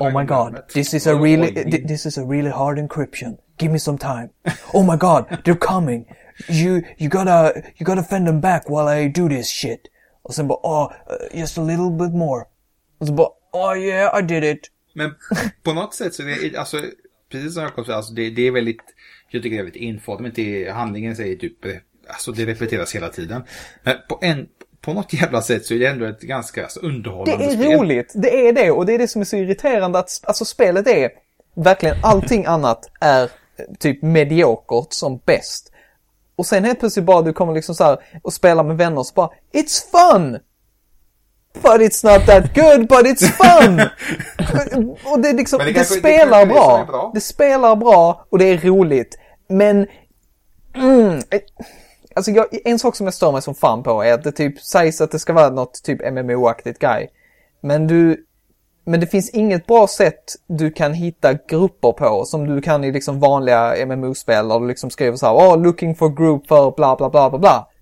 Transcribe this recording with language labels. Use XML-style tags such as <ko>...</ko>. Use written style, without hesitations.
<en>Oh my god, this is a really hard encryption. Give me some time. Oh my god, they're coming. You gotta fend them back while I do this shit.</en> <sv>Och sen bara,</sv> <en>just a little bit more. Och sen bara, oh yeah, I did it.</en> <sv>Men på något sätt så är det, alltså, precis som Jakob sa, alltså, det är väldigt... Jag tycker det är lite infotement i handlingen, säger typ, alltså det repeteras hela tiden. Men på något jävla sätt så är det ändå ett ganska, alltså, underhållande spel. Det är spel. Roligt, det är det. Och det är det som är så irriterande, att alltså, spelet är verkligen allting annat är typ mediokert som bäst. Och sen helt plötsligt bara du kommer liksom så här och spelar med vänner och så bara,</sv> <en>it's fun! But it's not that good, but it's fun!</en> <sv>Och det är liksom, det kanske, spelar det bra. Är bra. Det spelar bra och det är roligt. Men, alltså en sak som jag stör mig som fan på är att det typ sägs att det ska vara något typ MMO-aktigt guy. Men det finns inget bra sätt du kan hitta grupper på som du kan i liksom vanliga MMO-spel och du liksom skriver så här,</sv> <en>oh, looking for group</en> <sv>för bla bla bla bla bla.</sv>